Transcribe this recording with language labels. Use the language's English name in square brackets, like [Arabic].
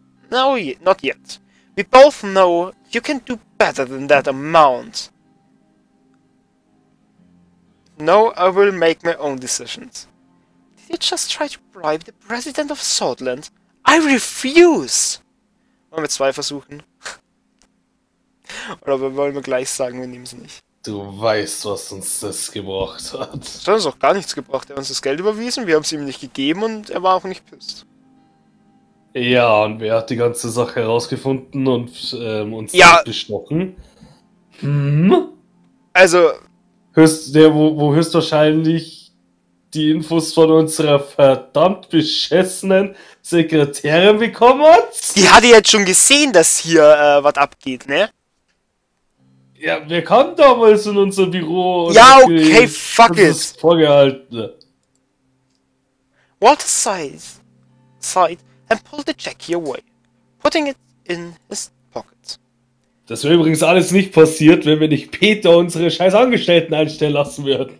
[English] No, not yet. We both know you can do better than that amount. No, I will make my own decisions. Did you just try to bribe the president of Swordland? I refuse! [German] Wollen wir zwei versuchen? Oder wollen wir gleich sagen, wir nehmen sie nicht? Du weißt, was uns das gebracht hat. Das hat uns auch gar nichts gebracht. Er hat uns das Geld überwiesen, wir haben es ihm nicht gegeben und er war auch nicht pissed. Ja, und wer hat die ganze Sache herausgefunden und uns ja bestochen? Hm? Also... Wo höchstwahrscheinlich die Infos von unserer verdammt beschissenen Sekretärin bekommen hat? Die hatte jetzt schon gesehen, dass hier was abgeht, ne? Ja, wir kamen damals in unser Büro. Ja, okay, fuck it. Vorgehalten. [English] Walter sighed and pulled the check away, putting it in his pocket. [German] Das wäre übrigens alles nicht passiert, wenn wir nicht Peter unsere scheiß Angestellten einstellen lassen würden.